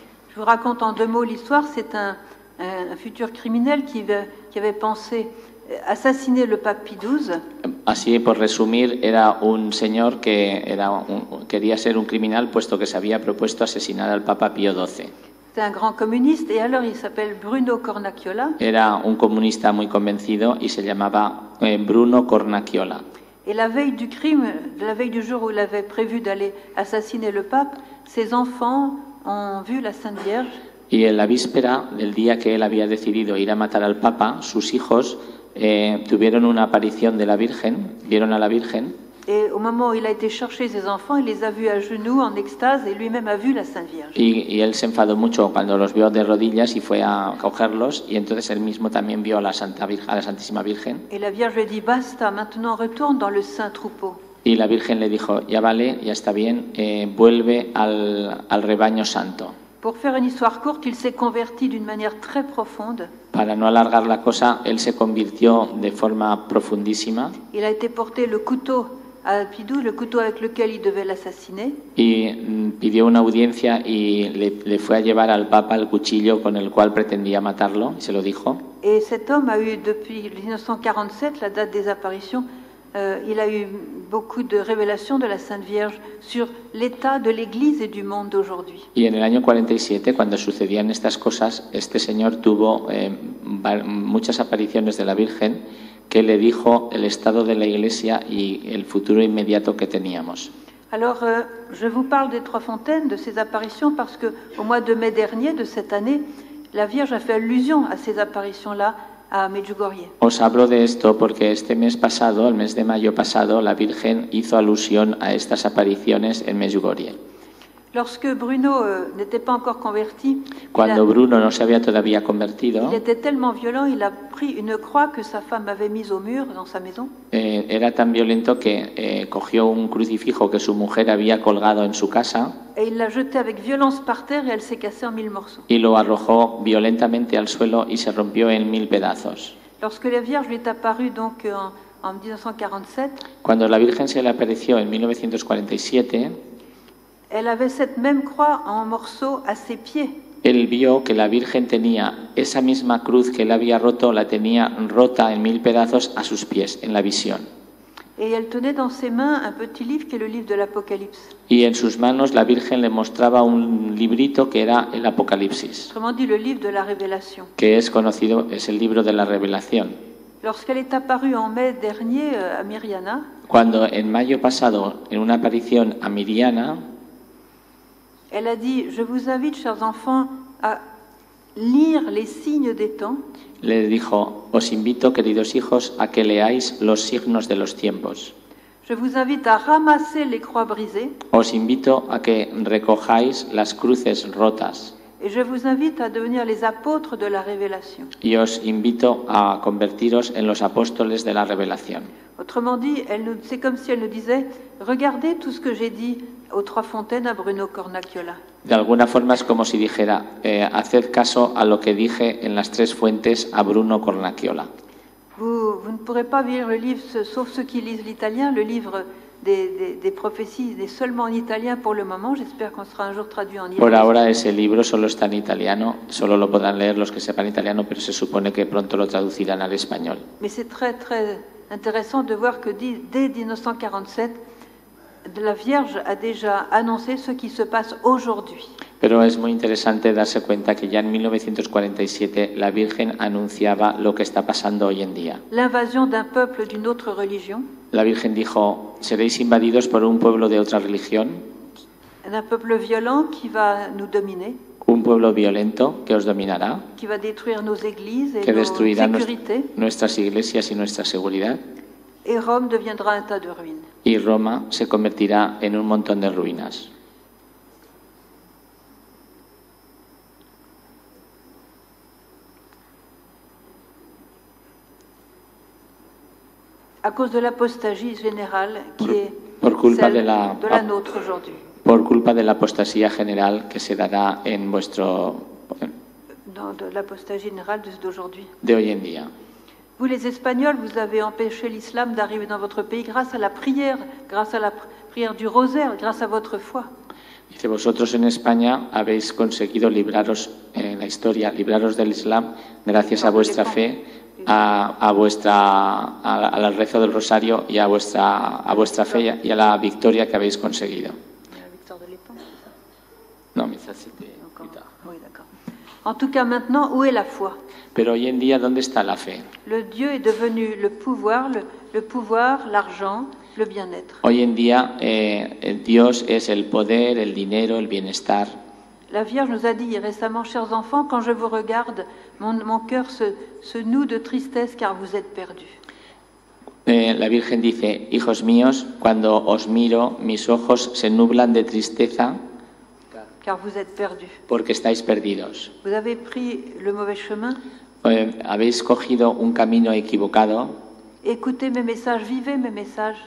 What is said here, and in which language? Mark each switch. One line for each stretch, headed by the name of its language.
French: Je vous raconte en deux mots l'histoire. C'est un futur criminel qui avait pensé assassiner le pape Pie XII.
Spanish: Así, por resumir, era un señor que quería ser un criminal puesto que se había propuesto asesinar al Papa Pío XII.
French: C'est un grand communiste et alors il s'appelle Bruno Cornacchiola.
Spanish: Era un comunista muy convencido y se llamaba Bruno Cornacchiola.
French: Et la veille du crime, la veille du jour où il avait prévu d'aller assassiner le pape, ses enfants ont vu la Sainte Vierge.
Spanish: Y en la víspera del día que él había decidido ir a matar al papa, sus hijos tuvieron una aparición de la Virgen, vieron a la Virgen.
French: Et au moment où il a été chercher ses enfants, il les a vus à genoux en extase et lui-même a vu la Sainte Vierge.
Spanish: Y él se enfadó mucho cuando los vio de rodillas y fue a cogerlos y entonces él mismo también vio a la Santa Virgen, a la Santísima Virgen.
French: Et la Vierge lui dit basta, maintenant retourne dans le saint troupeau.
Spanish: Y la Virgen le dijo, ya vale, ya está bien, vuelve al rebaño santo.
French: Pour faire une histoire courte, il s'est converti d'une manière très profonde.
Spanish: Para no alargar la cosa, él se convirtió de forma profundísima.
French: Il a été porté le couteau à Pidou, le couteau avec lequel il devait l'assassiner.
Spanish: Y pidió una audiencia y le fue a llevar al Papa el cuchillo con el cual pretendía matarlo, y se lo dijo.
French: Et cet homme a eu depuis 1947, la date des apparitions, il a eu beaucoup de révélations de la Sainte Vierge sur l'état de l'Église et du monde d'aujourd'hui.
Spanish: Y en el año 47, cuando sucedían estas cosas, este señor tuvo muchas apariciones de la Virgen que le dijo el estado de la Iglesia y el futuro inmediato que teníamos.
French: Alors, je vous parle des Trois Fontaines, de ces apparitions, parce que au mois de mai dernier de cette année, la Vierge a fait allusion à ces apparitions-là.
Spanish: Os hablo de esto porque este mes pasado, el mes de mayo pasado, la Virgen hizo alusión a estas apariciones en Medjugorje.
French: Lorsque Bruno n'était pas encore converti,
Spanish: cuando Bruno no se había todavía convertido,
French: il était tellement violent, il a pris une croix que sa femme avait mise au mur dans sa maison.
Spanish: Era tan violento que cogió un crucifijo que su mujer había colgado en su casa.
French: Et il l'a jeté avec violence par terre et elle s'est cassée en mille morceaux.
Spanish: Y lo arrojó violentamente al suelo y se rompió en mil pedazos.
French: Lorsque la Vierge lui est apparue donc en 1947,
Spanish: cuando la Virgen se le apareció en 1947.
French: Elle avait cette même croix en morceaux à ses pieds.
Spanish: Él vio que la Virgen tenía esa misma cruz que él había roto, la tenía rota en mil pedazos a sus pies, en la visión.
French: Et elle tenait dans ses mains un petit livre qui est le livre de l'Apocalypse.
Spanish: Y en sus manos la Virgen le mostraba un librito que era el Apocalipsis.
French: Autrement dit, le livre de la Révélation.
Spanish: Que es conocido, es el libro de la Revelación.
French: Lorsqu'elle est apparue en mai dernier à Mariana.
Spanish: Cuando en mayo pasado, en una aparición a Mariana.
French: Elle a dit, je vous invite, chers enfants, à lire les signes des temps.
Spanish: Le dijo, os invito, queridos hijos, a que leáis los signos de los tiempos.
French: Je vous invite à ramasser les croix brisées.
Spanish: Os invito a que recojáis las cruces rotas.
French: Et je vous invite à devenir les apôtres de la révélation.
Spanish: Y os invito a convertiros en los apóstoles de la revelación.
French: Autrement dit, c'est comme si elle nous disait, regardez tout ce que j'ai dit aux Trois Fontaines, à Bruno Cornacchiola.
Spanish: De alguna forma es como si dijera, haced caso a lo que dije en las Tres Fuentes a Bruno Cornacchiola.
French: Vous ne pourrez pas lire le livre, sauf ceux qui lisent l'italien, le livre des prophéties est seulement en italien pour le moment, j'espère qu'on sera un jour traduit en italien.
Spanish: Por ahora ese libro solo está en italiano, solo lo podrán leer los que sepan italiano, pero se supone que pronto lo traducirán al español.
French: Mais c'est très très intéressant de voir que dès 1947, la Vierge a déjà annoncé ce qui se passe aujourd'hui.
Spanish: Pero es muy interesante darse cuenta que ya en 1947 la Virgen anunciaba lo que está pasando hoy en día.
French: L'invasion d'un peuple d'une autre religion.
Spanish: La Virgen dijo, seréis invadidos por un pueblo de otra religión.
French: Un peuple violent qui va nous dominer.
Spanish: Un pueblo violento que os dominará.
French: Qui va détruire nos églises et nos sécurités.
Spanish: Que destruirá nuestras iglesias y nuestra seguridad.
French: Et Rome deviendra un tas de ruines.
Spanish: Y Roma se convertirá en un montón de ruinas.
French: À cause de l'apostasie générale qui est
Spanish: por culpa
French: celle de la nôtre aujourd'hui.
Spanish: Por culpa de la apostasía general que se dará en vuestro
French: non, de l'apostasie générale d'aujourd'hui.
Spanish: De hoy en día.
French: Vous les Espagnols, vous avez empêché l'islam d'arriver dans votre pays grâce à la prière, grâce à la prière du rosaire, grâce à votre foi.
Spanish: Dice, vosotros en España habéis conseguido libraros en la historia, libraros del islam gracias a vuestra fe, a la rezo del rosario y a vuestra fe y a la victoria que habéis conseguido. La victoria
French: de l'Espagne. Non, mais ça c'était plus tard. Oui, d'accord. En tout cas, maintenant, où est la foi?
Spanish: Pero hoy en día, ¿dónde está la fe?
French: Le Dieu est devenu le pouvoir, le pouvoir, l'argent, le bien-être.
Spanish: Hoy en día, Dios es el poder, el dinero, el bienestar.
French: La Vierge nous a dit récemment, chers enfants, quand je vous regarde, mon cœur se noue de tristesse car vous êtes perdus.
Spanish: La Virgen dice: «Hijos míos, cuando os miro, mis ojos se nublan de tristeza,
French: car vous êtes perdus.
Spanish: Porque estáis perdidos.
French: Vous avez pris le mauvais chemin.
Spanish: Habéis cogido un camino equivocado.
French: Écoutez mes messages, vivez mes messages.